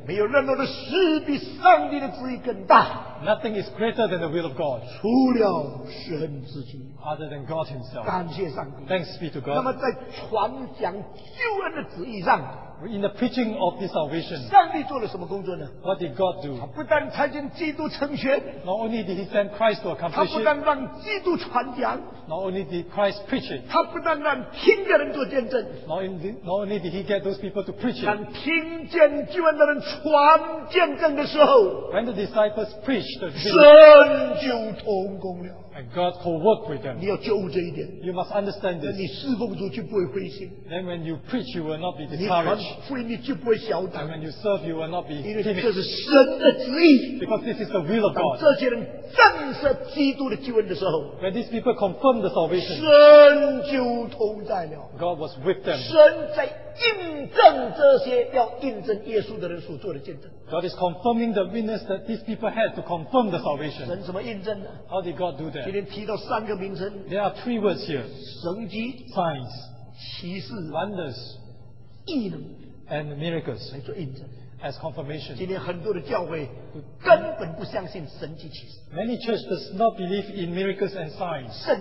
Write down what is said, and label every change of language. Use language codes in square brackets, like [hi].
[en] Nothing is greater than the will of God other than God Himself. [zh] 感谢上帝, [en] thanks be to God. [zh] 那么在传讲救恩的旨意上, [en] in the preaching of this salvation, [zh] 上帝做了什么工作呢? [en] What did God do? [zh] 他不但参见基督成全, [en] not only did He send Christ to accomplish it, [zh] 他不但让基督传讲, [en] not only did Christ preach it, [zh] 他不但让听的人做见证, [en] not only did He get those people to preach it, [zh] 让听见救恩的人传见证的时候, [en] when the disciples preached the [zh] truth, 神就同工了, [en] and God co-worked with them. [zh] 你要觉悟这一点, [en] you must understand this. [zh] 你侍奉主就不会灰心, [en] then when you preach, you will not be discouraged. And when you serve, you will not be timid. Because this is the will of God. [zh] 当这些人正视基督的救恩的时候, [en] when these people confirm the salvation, [zh] 神就同在了, [en] God was with them. [zh] 神在印证这些要印证耶稣的人所做的见证, [en] God is confirming the witness that these people had to confirm the salvation. [zh] 神怎么印证呢? [en] How did God do that? [zh] 今天提到三个名称, [en] there are three words here. [zh] 神迹, [en] signs, [zh] 奇事, [en] wonders, [zh] 异能, [en] and miracles [zh] 来做印证, [en] as confirmation. [zh] 今天很多的教会根本不相信神迹奇事, [en] many churches does not believe in miracles and signs,